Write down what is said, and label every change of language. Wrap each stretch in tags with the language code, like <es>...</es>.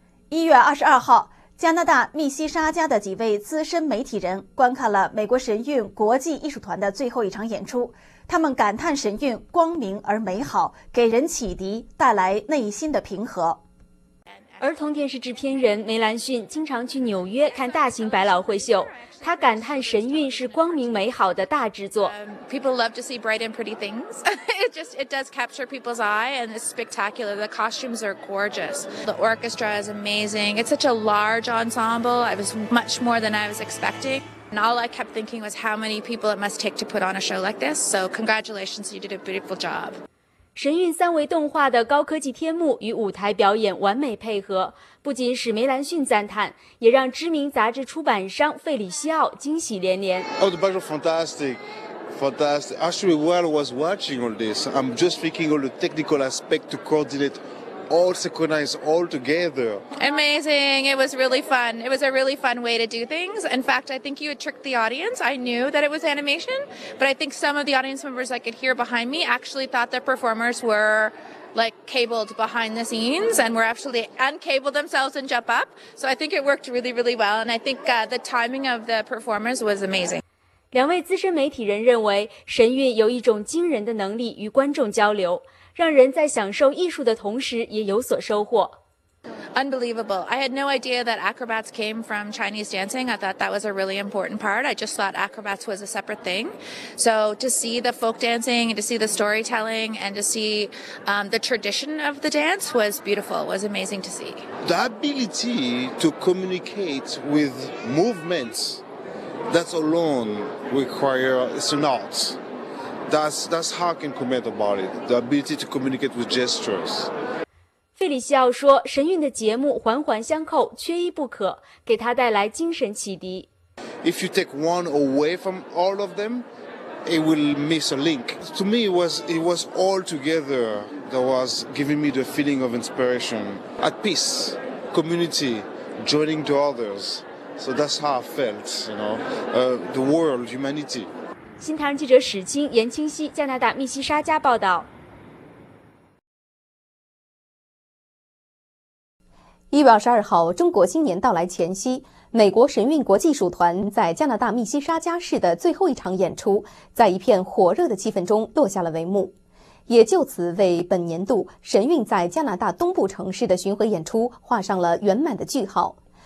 <zh>1月22号，加拿大密西沙加的几位资深媒体人观看了美国神韵国际艺术团的最后一场演出。他们感叹神韵光明而美好，给人启迪，带来内心的平和。儿童电视制片人梅兰逊经常去纽约看大型百老汇秀，他感叹神韵是光明美好的大制作。</zh> <en>People love to see bright and pretty things. It does capture people's eye and it's spectacular. The costumes are gorgeous. The orchestra is amazing. It's such a large ensemble. It was much more than I was expecting. And all I kept thinking was how many people it must take to put on a show like this. So congratulations, you did a beautiful job.</en> <zh>神韵三维动画的高科技天幕与舞台表演完美配合，不仅使梅兰逊赞叹，也让知名杂志出版商费里西奥惊喜连连。</zh> <en>Oh, the budget fantastic, fantastic. Actually, while I was watching all this, I'm just thinking all the technical aspect to coordinate all synchronize all together. Amazing! It was really fun. It was a really fun way to do things. In fact, I think you had tricked the audience. I knew that it was animation, but I think some of the audience members I could hear behind me actually thought the performers were like cabled behind the scenes and were actually uncabled themselves and jump up. So I think it worked really, really well. And I think the timing of the performers was amazing.</en> <zh>两位资深媒体人认为，神韵有一种惊人的能力与观众交流。让人在享受艺术的同时也有所收获。</zh> <en>Unbelievable. I had no idea that acrobats came from Chinese dancing. I thought that was a really important part. I just thought acrobats was a separate thing. So to see the folk dancing and to see the storytelling and to see the tradition of the dance was beautiful, was amazing to see. The ability to communicate with movements, that alone requires an art. That's how I can comment about it, the ability to communicate with gestures.</en> <zh>费里西奥说，神韵的节目环环相扣，缺一不可，给他带来精神启迪。</zh> <en>If you take one away from all of them, it will miss a link. To me, it was all together that was giving me the feeling of inspiration. At peace, community, joining to others. So that's how I felt, you know, the world, humanity.</en> <zh>新唐人记者史清、严清晰，加拿大密西沙加报道。 1月22号，中国新年到来前夕，美国神韵国际艺术团在加拿大密西沙加市的最后一场演出，在一片火热的气氛中落下了帷幕，也就此为本年度神韵在加拿大东部城市的巡回演出画上了圆满的句号。</zh>